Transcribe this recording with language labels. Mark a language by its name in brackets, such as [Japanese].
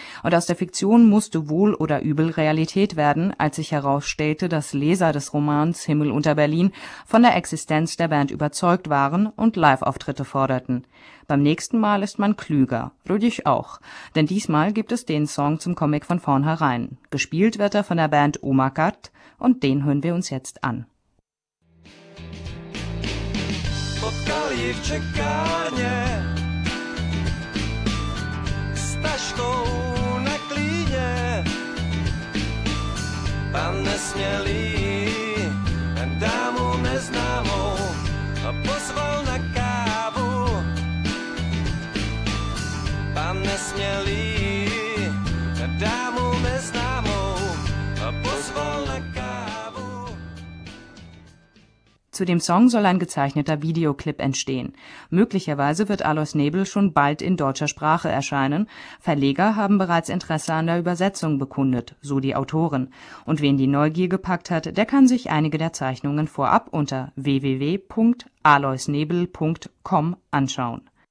[German] Und aus der Fiktion musste wohl oder übel Realität werden, als sich herausstellte, dass Leser des Romans Himmel unter Berlin von der Existenz der Band überzeugt waren und Live-Auftritte forderten. Beim nächsten Mal ist man klüger, Rudisch auch, denn diesmal gibt es den Song zum Comic von vornherein. Gespielt wird er von der Band Omakat, und den hören wir uns jetzt an. [Czech] Potkal ji v čekárně s taškou na klíně. Pan nesmělý dámu neznámou pozval na kávu. Pan nesmělý dámu neznámou pozval na kávu. [German] Zu dem Song soll ein gezeichneter Videoclip entstehen. Möglicherweise wird Alois Nebel schon bald in deutscher Sprache erscheinen. Verleger haben bereits Interesse an der Übersetzung bekundet, so die Autoren. Und wen die Neugier gepackt hat, der kann sich einige der Zeichnungen vorab unter www.aloisnebel.com anschauen.